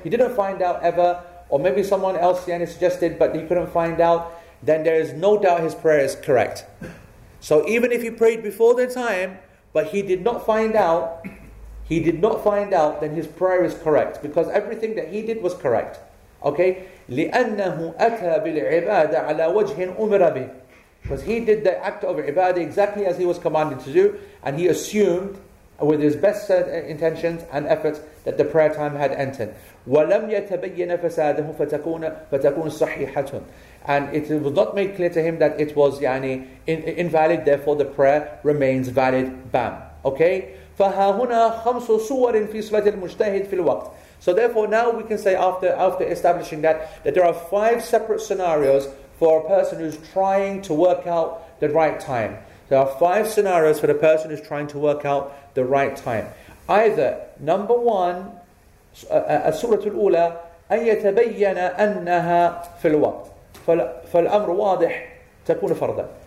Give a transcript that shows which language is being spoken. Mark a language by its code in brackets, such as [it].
[en] He didn't find out ever. Or maybe someone else Yani suggested, but he couldn't find out, then there is no doubt his prayer is correct. So even if he prayed before the time, but he did not find out, then his prayer is correct. Because everything that he did was correct. Okay? [ar] لِأَنَّهُ أَتَى بِالْعِبَادَ عَلَى وَجْهٍ أُمِرَ بِهِ. [en] Because he did the act of ibadah exactly as he was commanded to do, and he assumed, with his best intentions and efforts, that the prayer time had entered. [ar] وَلَمْ يَتَبَيَّنَ فَسَادَهُ فَتَكُونَ صَحِحَةٌ. [en] And it was not made clear to him that it was invalid, therefore the prayer remains valid. Bam. Okay? [ar] فَهَا هُنَا خَمْسُ صُوَرٍ فِي صَلَةِ الْمُجْتَهِدِ فِي الْوَقْتِ. [en] So therefore now we can say after establishing that there are five separate scenarios for a person who's trying to work out the right time. There are five scenarios for the person who's trying to work out the right time. Either, number one, [ar] Suratul Ula, أن يتبين أنها في الوقت فالأمر واضح تكون فرضا.